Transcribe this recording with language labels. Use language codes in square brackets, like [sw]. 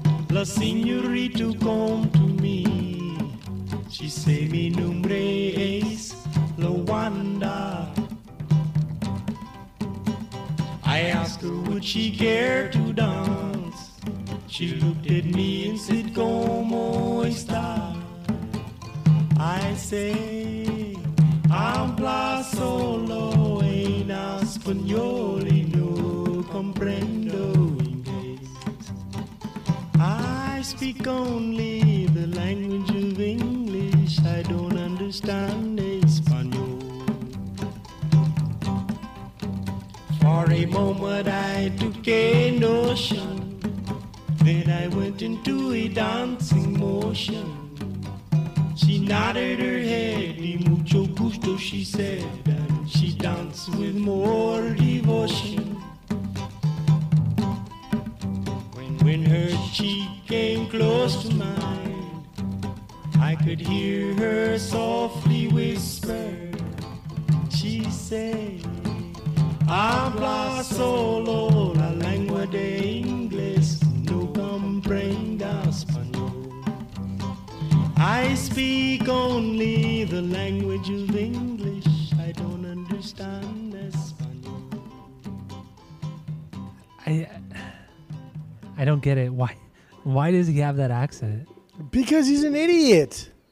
[en] La señorita come to me. She say [es] mi nombre es La Wanda. [en] I asked her would she care to dance. She looked at me and said [es] como esta. [en] I say [es] habla solo en español y no comprendo. [en] I speak only the language of English. I don't understand Espanol. For a moment I took a notion. Then I went into a dancing motion. She nodded her head, [es] y mucho gusto, [en] she said. And she danced with more devotion. When her cheek came close to mine, I could hear her softly whisper. She said, [es] habla solo la lengua de inglés, no comprenda español. [en] I speak only the language of English, I don't understand español. I don't get it. Why does he have that accent? Because he's an idiot.